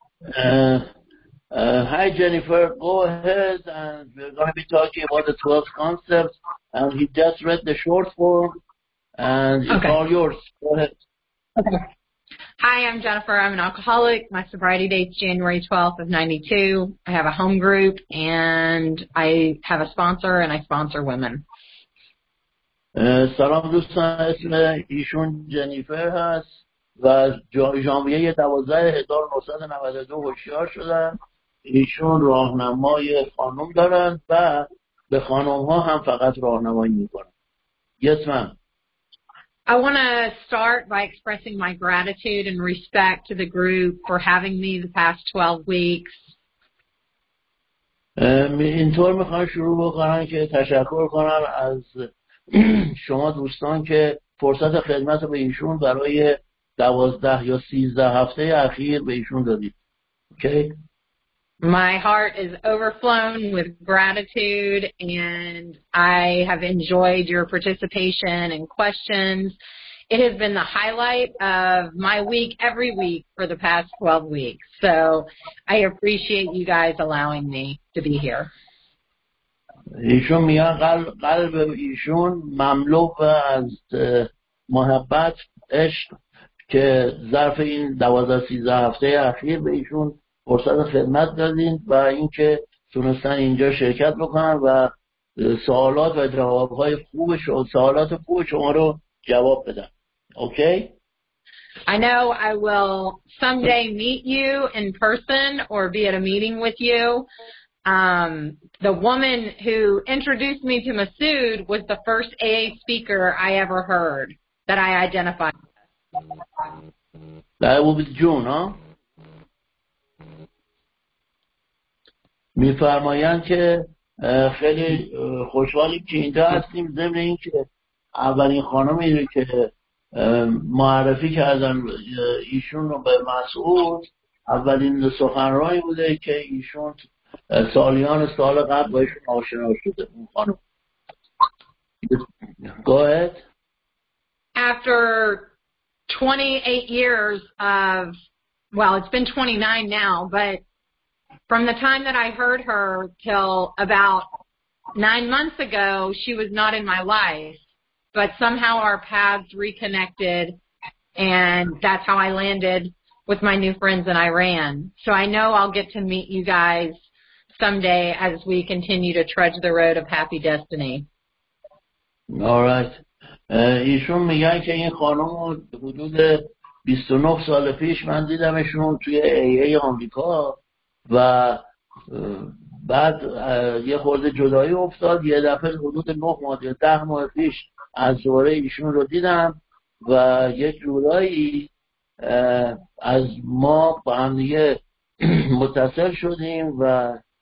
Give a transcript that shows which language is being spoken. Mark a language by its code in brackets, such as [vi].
[en] Hi Jennifer, go ahead, and we're going to be talking about the 12 concepts, and he just read the short form, and it's all yours. Go ahead. Okay. Hi, I'm Jennifer. I'm an alcoholic. My sobriety date's January 12th of 92. I have a home group, and I have a sponsor, and I sponsor women. [fa] سلام دوستان، اسم ایشون جنیفر هست و از ژانویه 12/1992 هوشیار شدن. ایشون راهنمای خانم دارند و به خانم ها هم فقط راهنمایی می کنند. [en] Yes, ma'am. I want to start by expressing my gratitude and respect to the group for having me the past 12 weeks. [fa] اینطور می خواهم شروع بکنم که تشکر کنم از شما دوستان که فرصت خدمت به ایشون برای 12 یا 13 هفته اخیر به ایشون دادید. [en] Okay. My heart is overflown with gratitude and I have enjoyed your participation and questions. It has been the highlight of my week every week for the past 12 weeks. So I appreciate you guys allowing me to be here. [fa] ایشون میان قلب ایشون مملو از محبت عشق که ظرف این 12-13 هفته اخیر به ایشون فرصت خدمت دادین و اینکه تونستن اینجا شرکت بکنن و سوالات و جوابهای خوب شما سوالات خوب شما رو جواب بدن. اوکی؟ [en] I know I will someday meet you in person or be at a meeting with you. The woman who introduced me to Masood was the first AA speaker I ever heard that I identified. That will be June, huh? [fa] می فرمایم که خیلی خوشحالیم که اینجا هستیم، ضمن اینکه اولین خانمی که معرفی کردن ایشون رو به مسعود اولین سخنرانی بوده که ایشون سالیان سال قبل با ایشون آشنا شده. اون خانم [en] Go ahead. After 28 years of, well, it's been 29 now, but from the time that I heard her till about 9 months ago, she was not in my life, but somehow our paths reconnected, and that's how I landed with my new friends in Iran. So I know I'll get to meet you guys someday as we continue to trudge the road of happy destiny. All right. [fa] ایشون میگن که این خانم حدود 29 سال پیش من دیدمشون توی AA آمریکا و بعد یه خورده جدایی افتاد، یه دفعه حدود 9 ماه یا 10 ماه پیش از دوره ایشون رو دیدم و یه جورایی از ما با هم دیگه متصل شدیم و